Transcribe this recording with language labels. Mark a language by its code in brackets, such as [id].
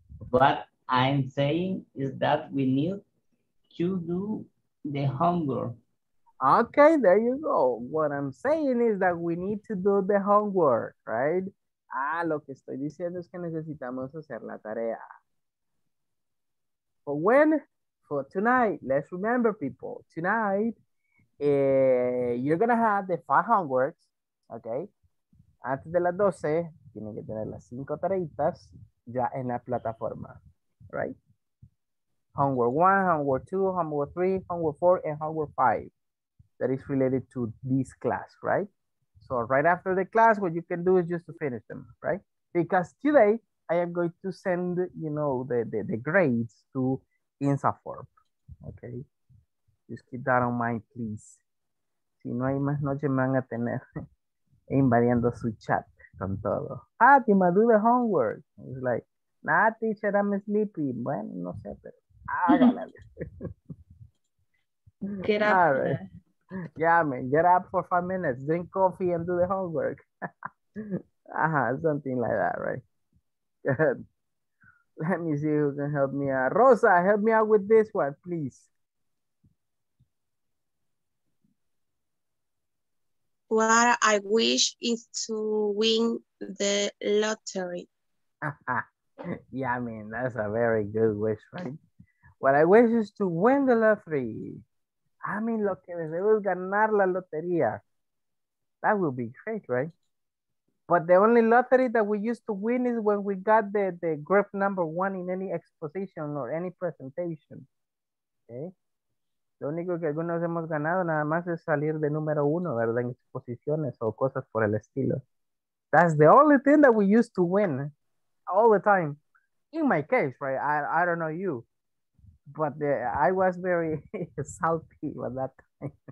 [en] What I'm saying is that we need to do the homework. Okay, there you go. What I'm saying is that we need to do the homework, right? [es] Lo que estoy diciendo es que necesitamos hacer la tarea. [en] For when? For tonight. Let's remember, people. Tonight. You're gonna have the 5 homeworks, okay? [es] Antes de las 12, tienen que tener las 5 tareitas ya en la plataforma, right? [en] Homework 1, homework 2, homework 3, homework 4, and homework 5. That is related to this class, right? So right after the class, what you can do is just to finish them, right? Because today, I am going to send, you know, the grades to INSAFORP, okay? Just keep that on mind, please. [es] Si no hay más noche, me van a tener invadiendo su chat con todo. [en] Fátima, do the homework. It's like, nah, teacher, I'm sleepy. [es] Bueno, no sé, pero hágala. [en] Get up. All right. Yeah, man, get up for 5 minutes. Drink coffee and do the homework. Something like that, right? Good. Let me see who can help me out. Rosa, help me out with this one, please. What I wish is to win the lottery. Yeah, I mean, that's a very good wish, right? What I wish is to win the lottery. I mean, [es] lo que deseo es ganar la lotería. [en] That would be great, right? But the only lottery that we used to win is when we got the group number 1 in any exposition or any presentation, okay? [es] Lo único que algunos hemos ganado nada más es salir de número 1, ¿verdad? En exposiciones o cosas por el estilo. [en] That's the only thing that we used to win all the time. In my case, right? I don't know you. But I was very salty at that time.